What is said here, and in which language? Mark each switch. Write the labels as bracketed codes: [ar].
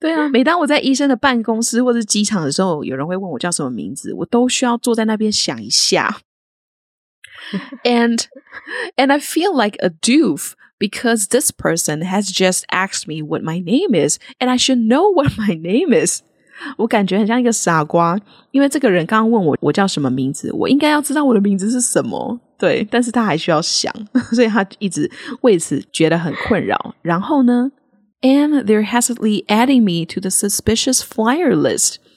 [zh] 每当我在医生的办公室或是机场的时候，有人会问我叫什么名字，我都需要坐在那边想一下。 [en] And I feel like a doof because this person has just asked me what my name is and I should know what my name is. [zh] 我感觉很像一个傻瓜，因为这个人刚问我叫什么名字，我应该要知道我的名字是什么。对，但是他还需要想，所以他一直为此觉得很困扰。然后呢 [en] ，And they're hastily adding me to the suspicious flyer list。